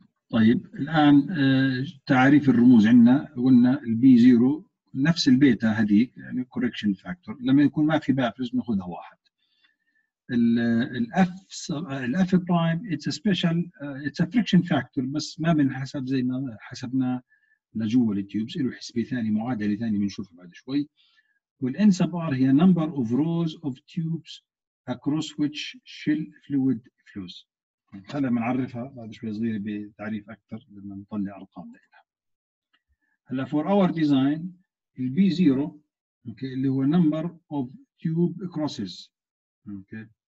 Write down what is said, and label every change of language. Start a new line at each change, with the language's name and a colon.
Arabic: طيب الآن تعريف الرموز عندنا، قلنا ال B0 نفس البيتا هذيك يعني
English: correction factor
Arabic: لما يكون ما في baffles نأخذها واحد. الاف برايم
English: it's a special it's a friction factor
Arabic: بس ما بنحسب زي ما حسبنا لجوه التيوبز، له حسبة ثاني معادلة ثانية بنشوفها بعد شوي. والان سب ار هي
English: number of rows of tubes across which shell fluid flows.
Arabic: هلا بنعرفها بعد شوي صغيرة بتعريف أكثر لما نطلع أرقام لها. هلا
English: for our design
Arabic: ال B0 okay, اللي هو
English: number of tube crosses okay.